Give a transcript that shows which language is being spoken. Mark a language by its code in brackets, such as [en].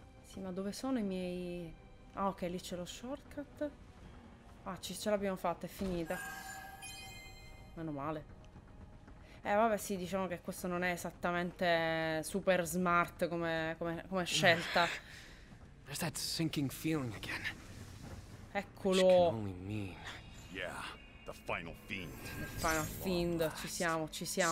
[it] Sì, ma dove sono i miei... Ah, ok, lì c'è lo shortcut. Ah, ce l'abbiamo fatta, è finita. Meno male. Vabbè, sì, diciamo che questo non è esattamente [en] super smart [it] come scelta. [en] There's that sinking feeling again. [it] Eccolo. [en] Yeah, the final fiend. The final fiend, [it] ci siamo, ci siamo.